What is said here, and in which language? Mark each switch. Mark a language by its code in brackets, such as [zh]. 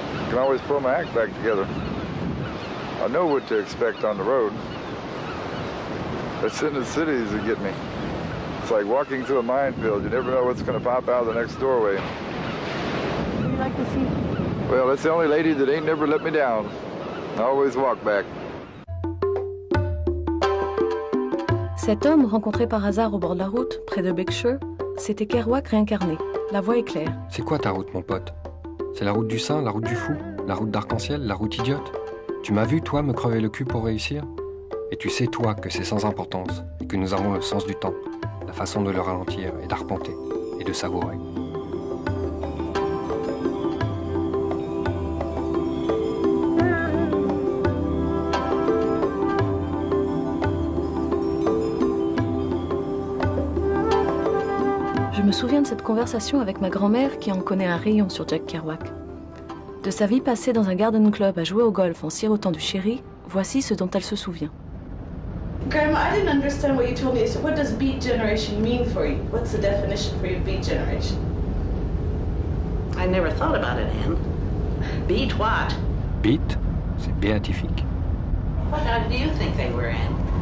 [en] Can always pull my act back together. I know what to expect on the road. It's in the cities that get me. It's like walking through a minefield. You never know what's going to pop out of the next doorway. Do you like the scene? Well, it's the only lady that ain't never let me down. I always walk back. [fr] Cet homme rencontré par hasard au bord de la route, près de Berkshire, c'était Kerouac réincarné. La voix est claire. C'est quoi ta route, mon pote? C'est la route du saint, la route du fou, la route d'arc-en-ciel, la route idiote? Tu m'as vu, toi, me crever le cul pour réussir? Et tu sais, toi, que c'est sans importance et que nous avons le sens du temps, la façon de le ralentir et d'arpenter et de savourer. Je me souviens de cette conversation avec ma grand-mère qui en connaît un rayon sur Jack Kerouac. De sa vie passée dans un garden club à jouer au golf en sirotant du sherry, voici ce dont elle se souvient. [en] Grandma, I didn't understand what you told me. So what does beat generation mean for you? What's the definition for your beat generation? I never thought about it, Anne. Beat what? [fr] Beat, c'est béatifique. [en] What now do you think they were, Anne?